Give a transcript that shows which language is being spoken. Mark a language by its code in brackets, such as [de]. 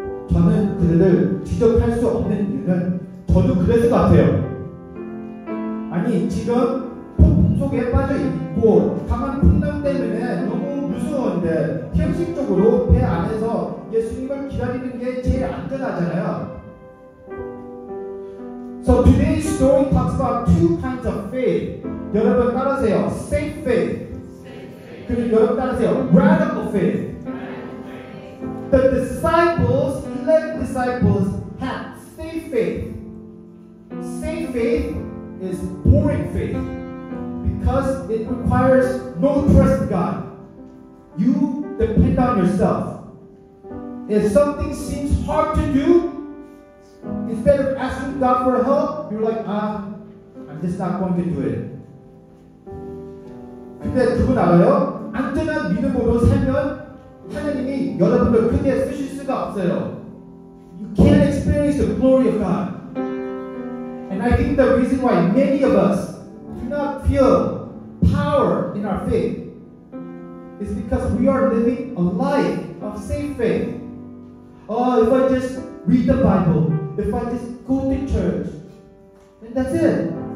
[ko] 저는 그들을 지적할 수 없는 이유는 저도 그랬을 것 같아요. 아니, 지금 폭풍 속에 빠져있고 강한 풍랑 때문에 너무 무서운데 현실적으로 배 안에서 예수님을 기다리는 게 제일 안전하잖아요. [en] So today's story talks about two kinds of faith. [ko] 여러분 따라하세요. [en] Safe faith. [ko] 그리고 여러분 따라하세요. [en] Radical faith. The disciples, 11 disciples, had safe faith. Safe faith is boring faith. Because it requires no trust in God. You depend on yourself. If something seems hard to do, instead of asking God for help, you're like, I'm just not going to do it. [ko] 근데 그건 알아요? 안전한 믿음으로 살면 하나님이 여러분을 크게 쓰실 수가 없어요. [en] You can't experience the glory of God. And I think the reason why many of us do not feel power in our faith is because we are living a life of safe faith. Oh, if I just read the Bible, if I just go to church, then that's it.